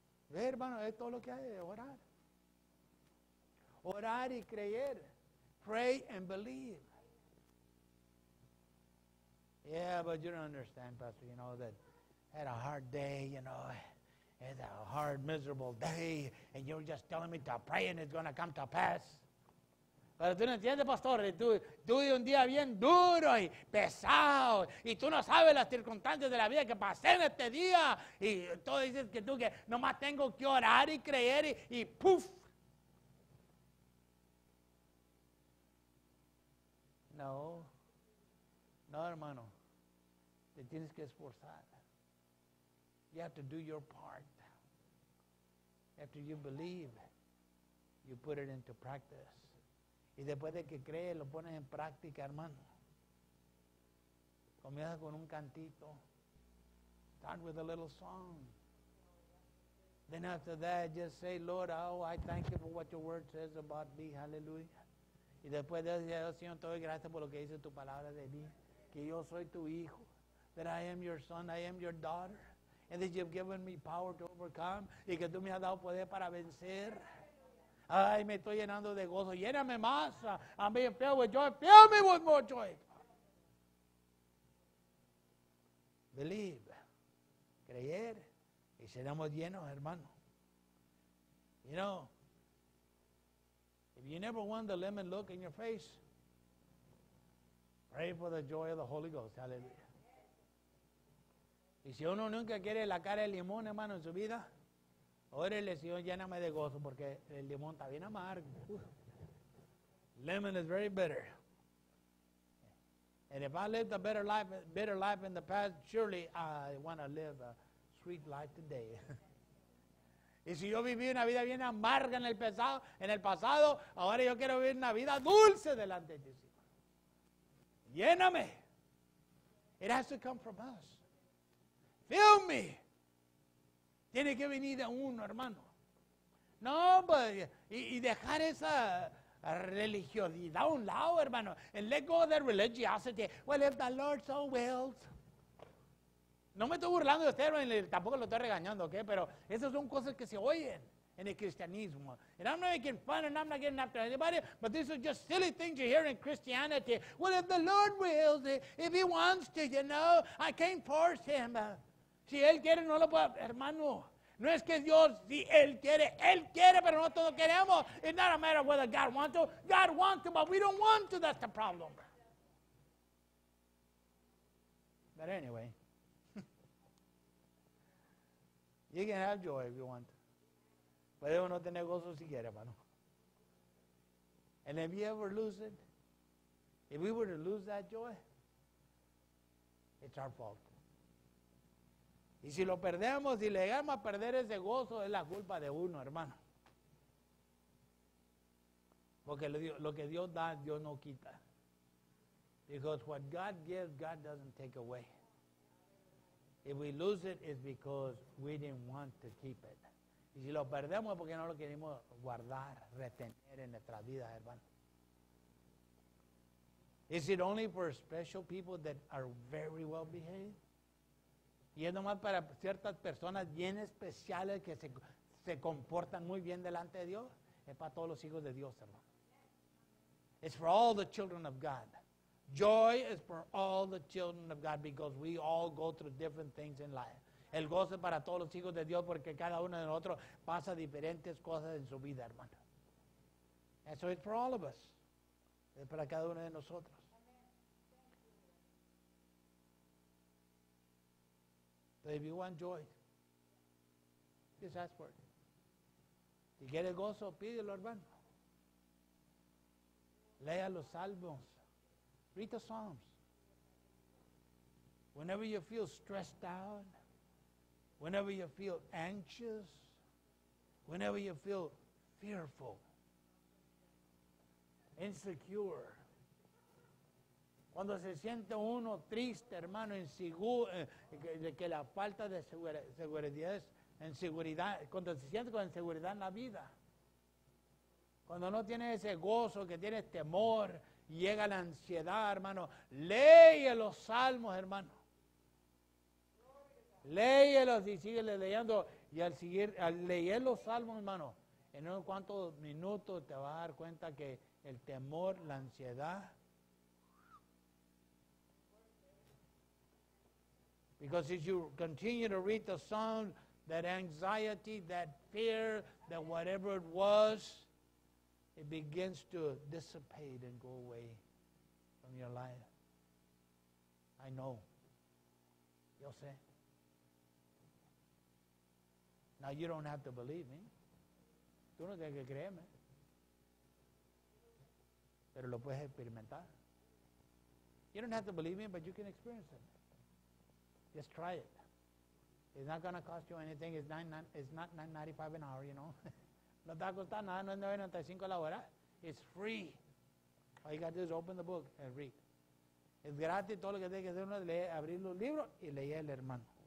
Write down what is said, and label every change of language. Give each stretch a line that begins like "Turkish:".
Spanish: Ve, hermano, es todo lo que hay, orar. Orar y creer.
English: Pray and believe. Yeah, but you don't understand, Pastor, you know, that I had a hard day, you know. It's a hard, miserable day, and you're just telling me to pray, and it's going to come to pass.
Spanish: Pero tú no entiendes, pastor. Tú y un día bien duro y pesado, y tú no sabes las circunstancias de la vida que pasé en este día. Y tú dices que tú que nomás tengo que orar y creer, y ¡puf! No. No, hermano. Te tienes que esforzar.
English: You have to do your part. After you believe, you put it into practice.
Spanish: Y después de que crees, lo pones en práctica, hermano. Comienza con un cantito.
English: Start with a little song. Then after that, just say, Lord, oh, I thank you for what your word says about me. Hallelujah.
Spanish: Y después de eso, Señor, te doy gracias por lo que dice tu palabra de mí. Que yo soy tu hijo.
English: That I am your son. I am your daughter. And that you've given me power to overcome.
Spanish: Y que tú me has dado poder para vencer. Ay, me estoy llenando de gozo. Lléname más.
English: I'm being filled with joy. Fill me with more joy. Believe.
Spanish: Creer. Y seremos llenos, hermano.
English: You know, if you never want the lemon look in your face, pray for the joy of the Holy Ghost. Hallelujah.
Spanish: Y si uno nunca quiere la cara de limón, hermano, en su vida, órele, Señor, lléname de gozo, porque el limón está bien amargo.
English: Lemon is very bitter. And if I lived a bitter life in the past, surely I want to live a sweet life today.
Spanish: Y si yo viví una vida bien amarga en el pasado, ahora yo quiero vivir una vida dulce delante de ti. Lléname.
English: It has to come from us. Fill me.
Spanish: Tiene que venir de uno, hermano. No, but, y dejar esa religiosidad a un lado, hermano.
English: And let go of that religiosity. Well, if the Lord so wills.
Spanish: No me estoy burlando de usted, hermano. Tampoco lo estoy regañando, ¿ok? Pero esas son cosas que se oyen en el cristianismo.
English: And I'm not making fun and I'm not getting after anybody, but these are just silly things you hear in Christianity. Well, if the Lord wills, if he wants to, you know, I can't force him.
Spanish: Si él quiere, no lo puedo, hermano. No es que Dios, si él quiere, él quiere, pero no todos queremos.
English: It's not a matter of whether God wants to. God wants to, but we don't want to. That's the problem. But anyway, you can have joy if you want.
Spanish: Puede uno tener gozo si quiere, hermano.
English: And if you ever lose it, if we were to lose that joy, it's our fault.
Spanish: Y si lo perdemos y le llegamos a perder ese gozo, es la culpa de uno, hermano. Porque lo que Dios da, Dios no quita.
English: Because what God gives, God doesn't take away. If we lose it, it's because we didn't want to keep it.
Spanish: Y si lo perdemos, es porque no lo queremos guardar, retener en nuestra vida, hermano.
English: Is it only for special people that are very well behaved?
Spanish: Y es nomás para ciertas personas bien especiales que se comportan muy bien delante de Dios. Es para todos los hijos de Dios, hermano.
English: It's for all the children of God. Joy is for all the children of God because we all go through different things in life.
Spanish: El gozo es para todos los hijos de Dios porque cada uno de nosotros pasa diferentes cosas en su vida, hermano.
English: And so it's for all of us.
Spanish: es para cada uno de nosotros.
English: So if you want joy, just ask for it.
Spanish: Si quieres gozo, pídelo, hermano. Lea los salmos.
English: Read the Psalms. Whenever you feel stressed out, whenever you feel anxious, whenever you feel fearful, insecure.
Spanish: Cuando se siente uno triste, hermano, que la falta de seguridad es inseguridad. Cuando se siente con inseguridad en la vida. Cuando no tiene ese gozo, que tiene temor, llega la ansiedad, hermano. Lee los salmos, hermano. Léelos y síguele leyendo. Y al leer los salmos, hermano, en unos cuantos minutos te vas a dar cuenta que el temor, la ansiedad.
English: Because as you continue to read the psalm, that anxiety, that fear, that whatever it was, it begins to dissipate and go away from your life. I know.
Spanish: Yo sé.
English: Now you don't have to believe me.
Spanish: Tú no tienes que creerme. Pero lo puedes experimentar.
English: You don't have to believe me, but you can experience it. Just try it. It's not going to cost you anything. It's not $9.95 an hour, you know.
Spanish: No te va a costar nada, no es $9.95 la hora.
English: It's free. All you got to do is open the book and read.
Spanish: Es gratis, todo lo que tienes que hacer uno es leer, abrir los libros y leer el hermano.